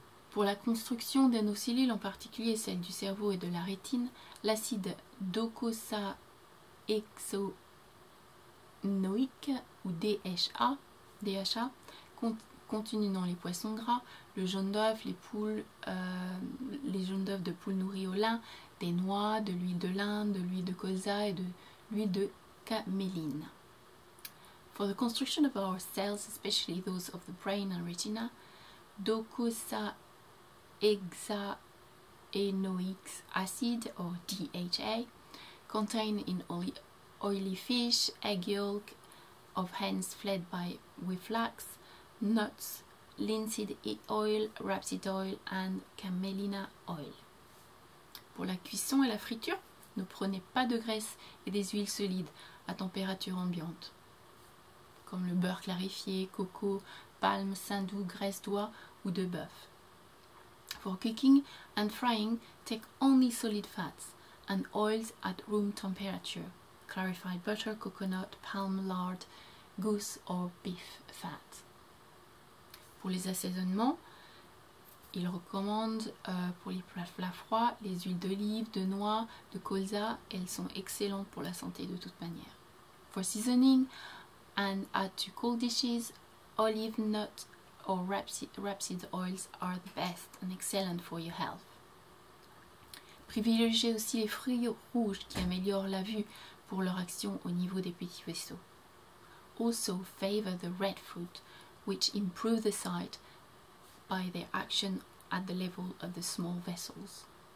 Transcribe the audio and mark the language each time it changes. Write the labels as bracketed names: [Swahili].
[French] Pour la construction de nos cellules, en particulier celles du cerveau et de la rétine, l'acide docosahexaénoïque ou DHA, contenu dans les poissons gras, le jaune d'œuf, les poules, les jaunes d'œufs de poules nourries au lin, des noix, de l'huile de lin, de l'huile de colza et de l'huile de caméline. [English] For the construction of our cells, especially those of the brain and retina, docosahexaénoic acid or DHA contained in oily fish, egg yolk of hens fed by with flax, nuts, linseed oil, rapeseed oil and camelina oil. [French] Pour la cuisson et la friture, ne prenez pas de graisse et des huiles solides à température ambiante, comme le beurre clarifié, coco, palme, sandou, graisse d'oie ou de bœuf. [English] For cooking and frying, take only solid fats and oils at room temperature, clarified butter, coconut, palm, lard, goose or beef fat. [French] Pour les assaisonnements, il recommande pour les plats froids les huiles d'olive, de noix, de colza. Elles sont excellentes pour la santé de toute manière. [English] For seasoning and add to cold dishes, olive nut or rapeseed oils are the best and excellent for your health. [French] Privilégiez aussi les fruits rouges qui améliorent la vue pour leur action au niveau des petits vaisseaux. [English] Also favor the red fruit, which improve the sight by their action at the level of the small vessels.